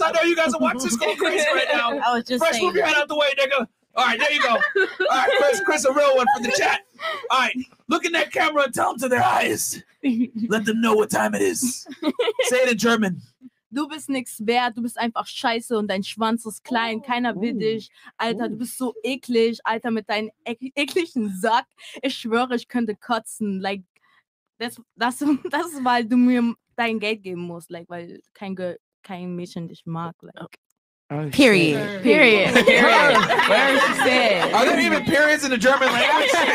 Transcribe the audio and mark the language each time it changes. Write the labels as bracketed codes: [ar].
[en] I know you guys are watching this going crazy right now. I was just Fresh, move your head out the way, nigga. All right, there you go. All right, Chris, a real one for the chat. All right, look in that camera and tell them to their eyes. Let them know what time it is. Say it in German. [de] Du bist nichts wert, du bist einfach scheiße und dein Schwanz ist klein, keiner will dich. Alter, du bist so eklig, Alter, mit deinem ekligen Sack. Ich schwöre, ich könnte kotzen. Like, das ist, weil du mir dein Geld geben musst. Like, weil kein Mädchen dich mag. Like. [en] Period. Are there even periods in the German language?